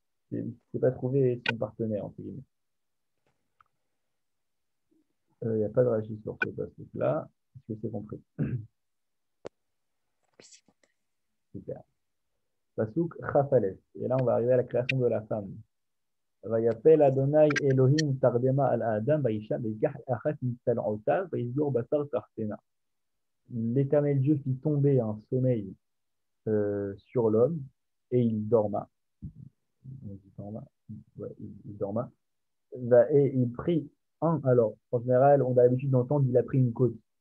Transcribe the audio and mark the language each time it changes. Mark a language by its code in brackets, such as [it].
[fr] Il ne s'est pas trouvé son partenaire, entre guillemets. Il n'y a pas de réagissement sur ce passage-là. Est-ce que c'est compris? Super. Pasouk Chafalet. Et là, on va arriver à la création de la femme. [he] ויפל אדוני אלוהים תרדמה על האדם באישה ויקח אחת מצלעותיו ויסגור בשר תחתינה. [fr] L'éternel Dieu fit tomber un sommeil sur l'homme et il dorma. Il dorma. Et il prit un. Alors, en général, on a l'habitude d'entendre qu'il a pris une côte.